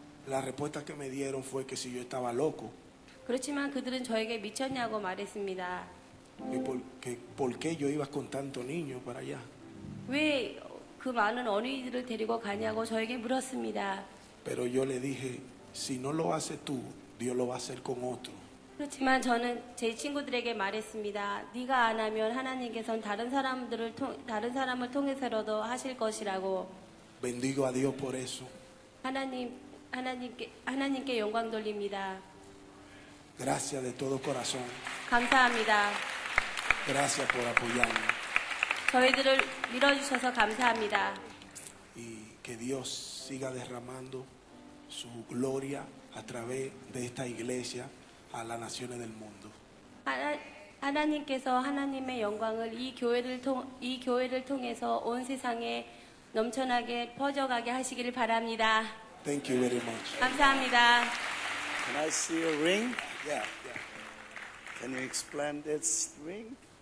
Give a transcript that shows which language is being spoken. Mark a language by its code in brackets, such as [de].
[es] La respuesta que me dieron fue que si yo estaba loco. [ko] 그렇지만 그들은 저에게 미쳤냐고 말했습니다. [es] ¿Por qué yo iba con tanto niño para allá? [ko] 왜 그 많은 어린이들을 데리고 가냐고 저에게 물었습니다. [es] Pero yo le dije, si no lo haces tú, Dios lo va a hacer con otro. [ko] 그렇지만 저는 제 친구들에게 말했습니다. 네가 안 하면 하나님께서는 다른 사람을 통해서라도 하실 것이라고. [es] Bendigo a Dios por eso. [ko] 하나님께 영광 돌립니다. [es] Gracias de todo corazón. [ko] 감사합니다. [es] Gracias por apoyarme. [ko] 저희들을 밀어주셔서 감사합니다. [es] Y que Dios siga derramando su gloria a través de esta iglesia a las naciones del mundo. [ko] 하나님께서 하나님의 영광을 이 교회를 통해서 온 세상에 넘쳐나게 퍼져가게 하시기를 바랍니다. [en] Thank you very much. [ko] 감사합니다. [en] Can I see your ring? Yeah. Can you explain this ring?